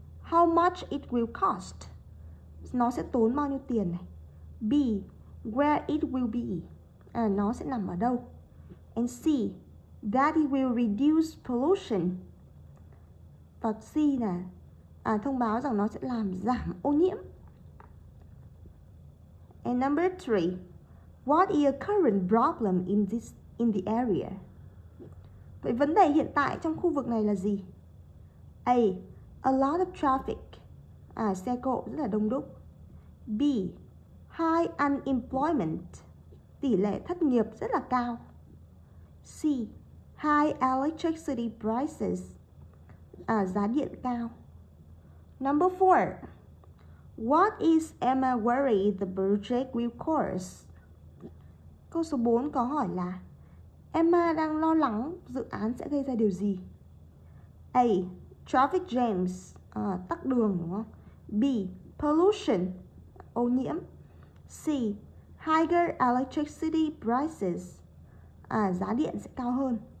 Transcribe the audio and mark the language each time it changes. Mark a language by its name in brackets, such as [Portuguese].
[English] How much it will cost? [Vietnamese] Nó sẽ tốn bao nhiêu tiền này? [English] B. Where it will be? [Vietnamese] Nó sẽ nằm ở đâu? [English] And C. That it will reduce pollution. [Vietnamese] Và C là thông báo rằng nó sẽ làm giảm ô nhiễm. [English] And number 3. What is a current problem in the area? [Vietnamese] Vậy vấn đề hiện tại trong khu vực này là gì? A. [English] A lot of traffic. [Vietnamese] Xe cộ rất là đông đúc. B. [English] High unemployment. [Vietnamese] Tỷ lệ thất nghiệp rất là cao. [English] C. High electricity prices. [Vietnamese] Giá điện cao. [English] Number 4. What is Emma worried the project will cause? [Vietnamese] Câu số 4 có hỏi là Emma đang lo lắng dự án sẽ gây ra điều gì? A. Traffic jams, tắc đường đúng không? B. Pollution, ô nhiễm. C. [English] Higher electricity prices, [Vietnamese] giá điện sẽ cao hơn.